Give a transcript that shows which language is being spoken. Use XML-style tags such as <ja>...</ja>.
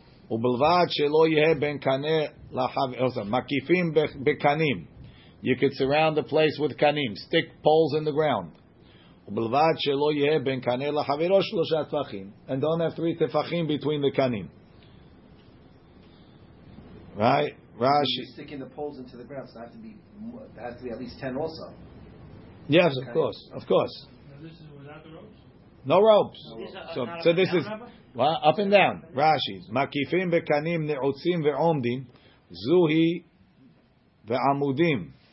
<he>ובלבד שלא יהיה בין קנה לחבר, מקיפים בקנים.</he> <en>You could surround the place with kanim, stick poles in the ground.</en> <he>ובלבד שלא יהיה בין קנה לחברו שלושה תפחים,</he> <en>and don't have three תפחים between the kanim. Right? Rashi. You're sticking the poles into the ground, so that has to be, that has to be at least 10 also. Yes, of okay. course. Of course. Now this is without the ropes? No ropes. So this is well, up and down. Rashi.</en> <he>Makifim bekanim ne'otzim ve'omdim. Zuhi ve'amudim.</he>